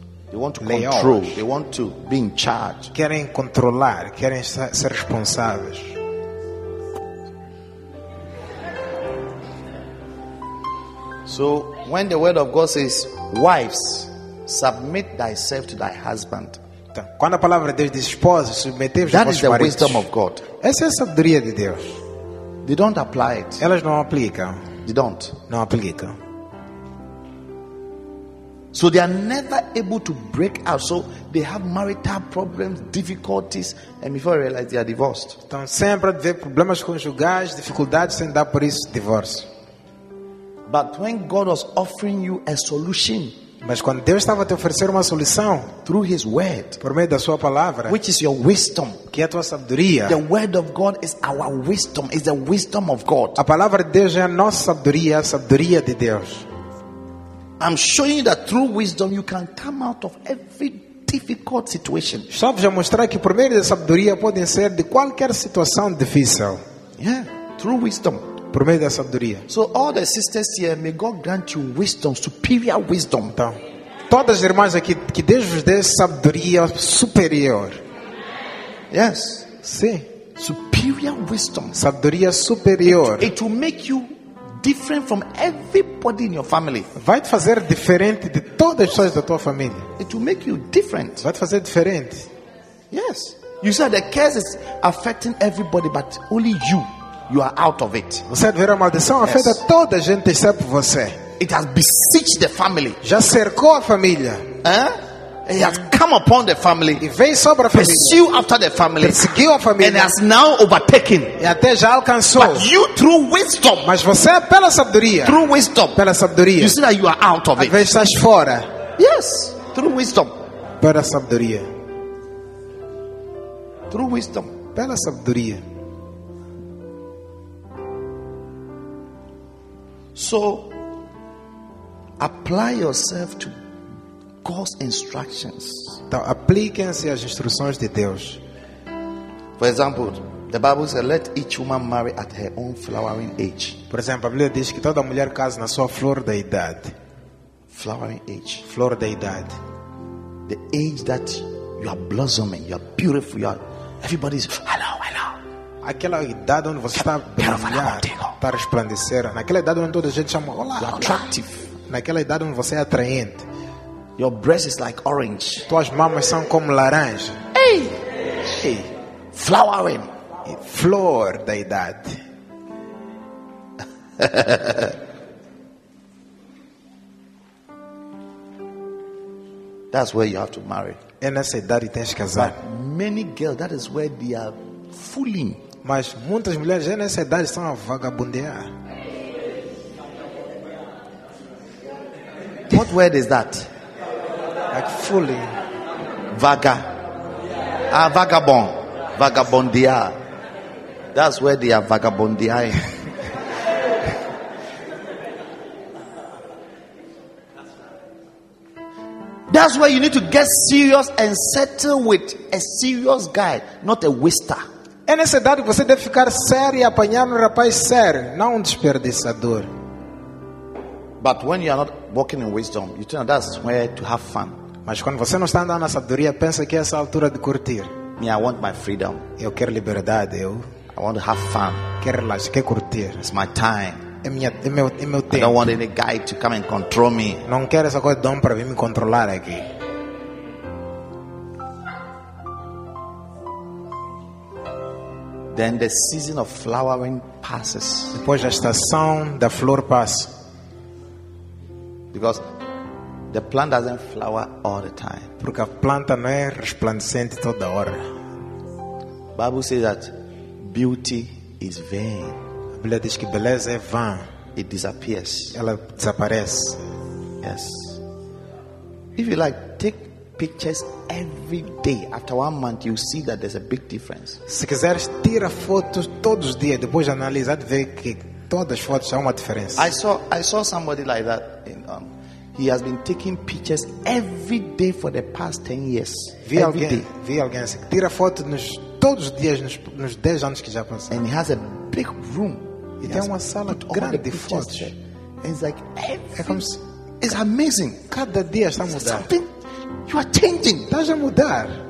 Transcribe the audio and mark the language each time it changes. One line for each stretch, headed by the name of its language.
English: They want to control. They want to be in charge.
Portuguese: Querem controlar, querem ser responsáveis.
English: So, when the word of God says, wives, submit thyself to thy husband.
Portuguese: Então, quando a palavra de Deus diz, esposa, submete-vos aos vossos maridos.
English: Wisdom of God.
Portuguese: Essa é a sabedoria de Deus.
English: They don't apply it.
Portuguese: Elas não aplicam.
English: They don't.
Portuguese: Não aplicam.
English: So they are never able to break out. So they have marital problems, difficulties, and before I realize they are divorced.
Portuguese: Então sempre haver problemas conjugais, dificuldades, sem dar por isso divórcio.
English: But when God was offering you a solution,
Portuguese: mas quando Deus estava a te oferecer uma solução,
English: through His word,
Portuguese: por meio da sua palavra,
English: which is your wisdom,
Portuguese: que é a tua sabedoria,
English: the word of God is our wisdom, is the wisdom of God.
Portuguese: A palavra de Deus é a nossa sabedoria, a sabedoria de Deus.
English: I'm showing you that through wisdom you can come out of every difficult situation.
Portuguese: Só vos mostrar que por meio da sabedoria podem ser de qualquer situação difícil.
English: Yeah, through wisdom.
Portuguese: Por meio da sabedoria.
English: So all the sisters here, may God grant you wisdom, superior wisdom.
Portuguese: Então, todas as irmãs aqui, que Deus vos dê sabedoria superior.
English: Yes.
Portuguese: Sim.
English: Superior wisdom.
Portuguese: Sabedoria superior.
English: It will make you different from everybody in your family.
Portuguese: Vai te fazer diferente de todas as pessoas da tua família.
English: It will make you different.
Portuguese: Vai te fazer diferente.
English: Yes. You said the curse is affecting everybody, but only you. You are out of it.
Portuguese: Você verá a maldição afeta toda a gente exceto você.
English: It has besieged the family.
Portuguese: Já cercou a família.
English: It has come upon the family.
Portuguese: E veio sobre a família.
English: Pursue after the family.
Portuguese: Perseguiu a família.
English: And has now overtaken.
Portuguese: E até já alcançou.
English: But you through wisdom.
Portuguese: Mas você pela sabedoria.
English: Through wisdom.
Portuguese: Pela sabedoria.
English: You see that you are out of it.
Portuguese: Estás fora.
English: Yes. Through wisdom.
Portuguese: Pela sabedoria.
English: Through wisdom.
Portuguese: Pela sabedoria.
English: So, apply yourself to God's instructions.
Portuguese: Então, apliquem-se às instruções de Deus.
English: For example, the Bible says, "Let each woman marry at her own flowering age."
Portuguese: Por exemplo, a Bíblia diz que toda mulher case na sua flor da idade.
English: Flowering age.
Portuguese: Flor da idade.
English: The age that you are blossoming, you are beautiful, you are. Everybody's hello, hello.
Portuguese: Aquela idade onde você está brilhando, está resplandecendo. Naquela idade onde toda a gente chama, olá,
English: attractive.
Portuguese: Naquela idade onde você é atraente.
English: Your breast is like orange.
Portuguese: Tuas mamas são como laranja. Hey, hey,
English: flowering.
Portuguese: E flor da idade.
English: That's where you have to marry.
Portuguese: É nessa idade que tens que casar.
English: But many girls, that is where they are fooling.
Portuguese: Mas muitas mulheres já nessa idade estão a vagabundear.
English: What word is that? Like fully.
Portuguese: Vaga. Ah, vagabond. Vagabundear.
English: That's where they are vagabundeaing. That's where you need to get serious and settle with a serious guy, not a waster.
Portuguese: É nessa idade que você deve ficar sério e apanhar um rapaz sério, não um desperdiçador.
English: But when you are not walking in wisdom, you think that's where to have fun.
Portuguese: Mas quando você não está andando na sabedoria, pensa que é essa altura de curtir.
English: Me, I want my freedom.
Portuguese: Eu quero liberdade, eu.
English: I want to have fun.
Portuguese: Quero relaxar, quero curtir.
English: It's my time.
Portuguese: É meu tempo.
English: I don't want any guy to come and control me.
Portuguese: Não quero essa coisa de homem para vir me controlar aqui.
English: Then the season of flowering passes.
Portuguese: Depois a estação da flor passa.
English: Because the plant doesn't flower all the time.
Portuguese: Porque a planta não é resplandecente toda hora.
English: Bible says that beauty is vain.
Portuguese: A Bíblia diz que beleza é vã.
English: It disappears.
Portuguese: Ela desaparece.
English: Yes. If you like, take pictures every day. After 1 month, you see that there's a big difference.
Portuguese: Se quiseres, tira fotos todos os dias. Depois de analisar, vê que todas as fotos há uma diferença.
English: I saw somebody like that. He has been taking pictures every day for the past 10 years.
Portuguese: Vi alguém assim, tira foto todos os dias nos 10 anos que já passaram.
English: And he has a big room.
Portuguese: E tem uma sala grande de fotos.
English: It's like it's amazing.
Portuguese: Cada dia está mudando.
English: Something, you are changing.
Portuguese: Está a mudar.